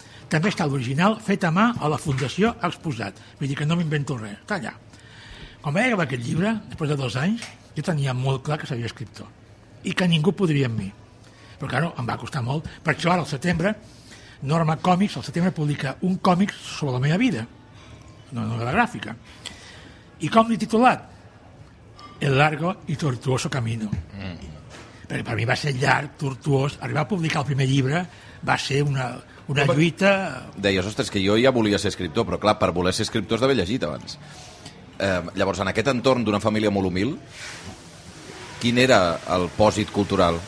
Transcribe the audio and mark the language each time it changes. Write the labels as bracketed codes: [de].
[ca] També està l'original, fet a mà a la Fundació, exposat. Vull dir que no m'invento res. Està allà. Quan vaig acabar aquest llibre, després de 2 anys, jo tenia molt clar que seria escriptor. I que ningú podria amb mi. Però, claro, em va costar molt. Per això, ara, al setembre, Norma Còmics, al setembre, publica un còmic sobre la meva vida. No de la gràfica. I com l'he titulat? [es] El largo y tortuoso camino. [ca] Perquè per mi va ser llarg, tortuós. Arribar a publicar el primer llibre va ser una lluita... Deies: ostres, que jo ja volia ser escriptor, però clar, per voler ser escriptor has d'haver llegit abans. Llavors, en aquest entorn d'una família molt humil, quin era el pòsit cultural?